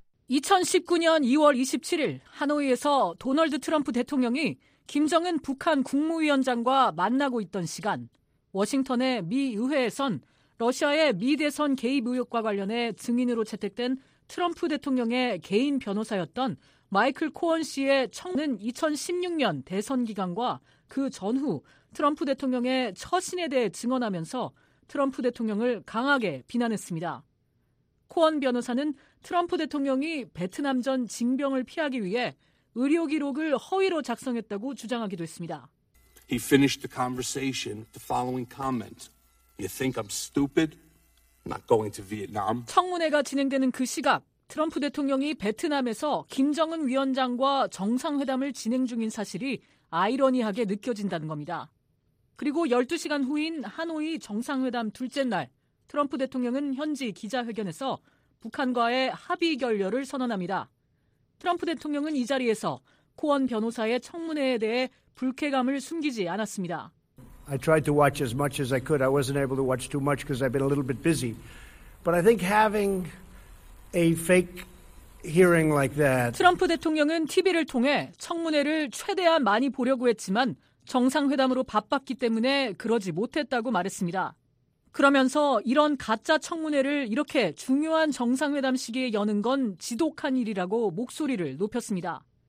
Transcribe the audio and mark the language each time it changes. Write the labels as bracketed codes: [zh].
[ko] 2019년 2월 27일 하노이에서 도널드 트럼프 대통령이 김정은 북한 국무위원장과 만나고 있던 시간, 워싱턴의 미 의회에선 러시아의 미 대선 개입 의혹과 관련해 증인으로 채택된 트럼프 대통령의 개인 변호사였던 마이클 코언 씨의 청문은 2016년 대선 기간과 그 전후 트럼프 대통령의 처신에 대해 증언하면서 트럼프 대통령을 강하게 비난했습니다. 코언 변호사는 트럼프 대통령이 베트남 전 징병을 피하기 위해 의료 기록을 허위로 작성했다고 주장하기도 했습니다. [en] He finished the conversation with the following comment. You think I'm stupid? Not going to Vietnam. [ko] 청문회가 진행되는 그 시각 트럼프 대통령이 베트남에서 김정은 위원장과 정상회담을 진행 중인 사실이 아이러니하게 느껴진다는 겁니다. 그리고 12시간 후인 하노이 정상회담 둘째 날 트럼프 대통령은 현지 기자회견에서 북한과의 합의 결렬을 선언합니다. 트럼프 대통령은 이 자리에서 코언 변호사의 청문회에 대해 불쾌감을 숨기지 않았습니다. [en] I tried to watch as much as I could. I wasn't able to watch too much because I've been a little bit busy. But I think having a fake hearing like that. [ko] 트럼프 대통령은 TV를 통해 청문회를 최대한 많이 보려고 했지만 정상회담으로 바빴기 때문에 그러지 못했다고 말했습니다. 그러면서 이런 가짜 청문회를 이렇게 중요한 정상회담 시기에 여는 건 지독한 일이라고 목소리를 높였습니다.